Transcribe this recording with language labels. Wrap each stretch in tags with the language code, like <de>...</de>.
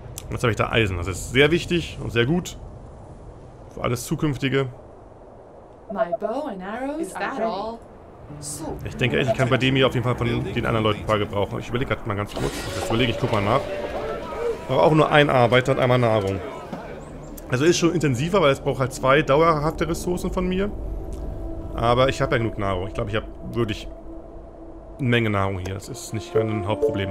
<de>Jetzt habe ich da Eisen. Das ist sehr wichtig und sehr gut. Für alles Zukünftige.</de> <en>My bow and arrows are ready.</en> <de>Ich denke, ich kann bei dem hier auf jeden Fall von den anderen Leuten ein paar gebrauchen. Ich überlege gerade mal ganz kurz. Jetzt überlege ich, guck mal nach. Brauche auch nur ein Arbeiter und einmal Nahrung. Also ist schon intensiver, weil es braucht halt zwei dauerhafte Ressourcen von mir. Aber ich habe ja genug Nahrung. Ich glaube, ich habe wirklich eine Menge Nahrung hier. Das ist nicht mein Hauptproblem.</de>